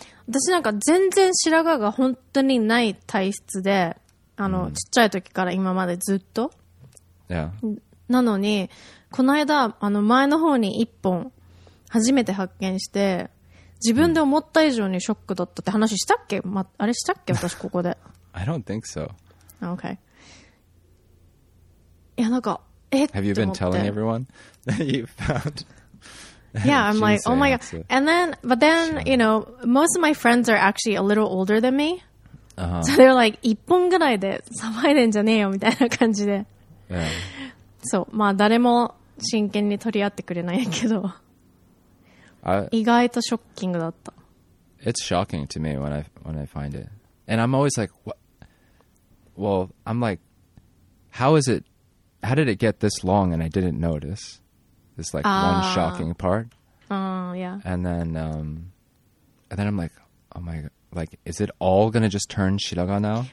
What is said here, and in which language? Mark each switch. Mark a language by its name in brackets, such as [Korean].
[Japanese] 私なんか全然白髪が本当にない体質で、ちっちゃい時から今までずっと。 [English] Yeah. [Japanese] なのに、この間、前の方に一本初めて発見して、自分で思った以上にショックだったって話したっけ、ま、あれしたっけ私ここで。 [English] I don't think so. Okay. [Japanese] いや、なんか、 [English] Have you been telling everyone that you found? Yeah, I'm like, oh my God. And then, but then, you know, most of my friends are actually a little older than me. So they're like, [Japanese] 一本ぐらいで騒いでんじゃねえよみたいな感じで。そう、まあ誰も真剣に取り合ってくれないけど。意外とショッキングだった。 [English] It's shocking to me when I find it. And I'm always like, what? Well, I'm like, How did it get this long and I didn't notice? This like one shocking part. And then I'm like, oh my god, like is it all gonna just turn shiraga now?